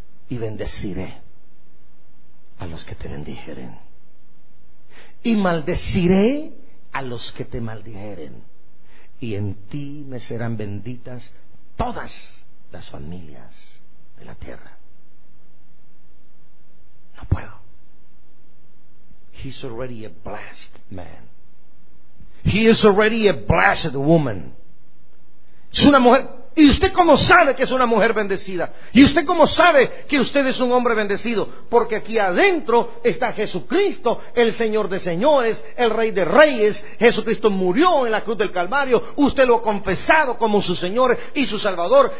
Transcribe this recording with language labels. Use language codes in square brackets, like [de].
[es] Y bendeciré a los que te bendijeren. Y maldeciré a los que te maldijeren, y en ti me serán benditas todas las familias de la tierra. No puedo. [en] he's already a blessed man. He is already a blessed woman. [es] Es una mujer. Y usted cómo sabe que es una mujer bendecida. Y usted cómo sabe que usted es un hombre bendecido. Porque aquí adentro está Jesucristo, el Señor de señores, el Rey de reyes. Jesucristo murió en la cruz del Calvario. Usted lo ha confesado como su Señor y su Salvador.